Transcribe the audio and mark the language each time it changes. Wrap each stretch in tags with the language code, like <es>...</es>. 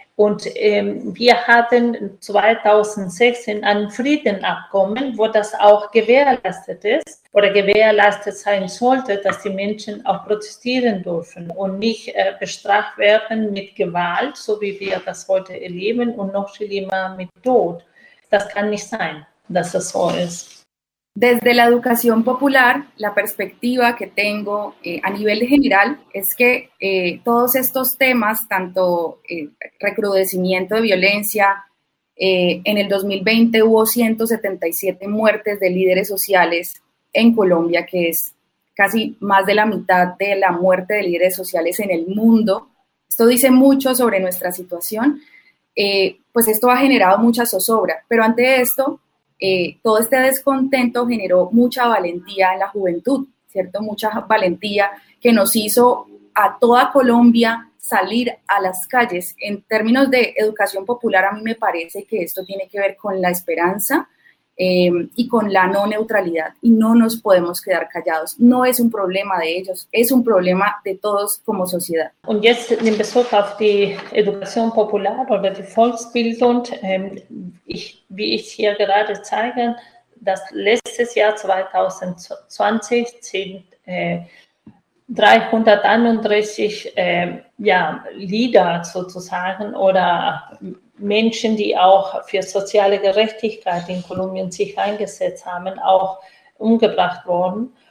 <de>Und wir hatten 2016 ein Friedensabkommen, wo das auch gewährleistet ist oder gewährleistet sein sollte, dass die Menschen auch protestieren dürfen und nicht bestraft werden mit Gewalt, so wie wir das heute erleben, und noch schlimmer mit Tod. Das kann nicht sein, dass das so ist.</de> <es>Desde la educación popular, la perspectiva que tengo a nivel general es que todos estos temas, tanto recrudecimiento de violencia, en el 2020 hubo 177 muertes de líderes sociales en Colombia, que es casi más de la mitad de la muerte de líderes sociales en el mundo. Esto dice mucho sobre nuestra situación. Pues esto ha generado mucha zozobra, pero ante esto, todo este descontento generó mucha valentía en la juventud, ¿cierto? Mucha valentía que nos hizo a toda Colombia salir a las calles. En términos de educación popular, a mí me parece que esto tiene que ver con la esperanza y con la no neutralidad, y no nos podemos quedar callados. No es un problema de ellos, es un problema de todos como sociedad.</es> <de>Und jetzt in Bezug auf die Education Popular oder die Volksbildung, wie ich hier gerade zeige, das letztes Jahr 2020 sind 331 Lieder sozusagen oder Menschen, die auch für soziale Gerechtigkeit in Kolumbien sich eingesetzt haben, auch umgebracht worden.</de>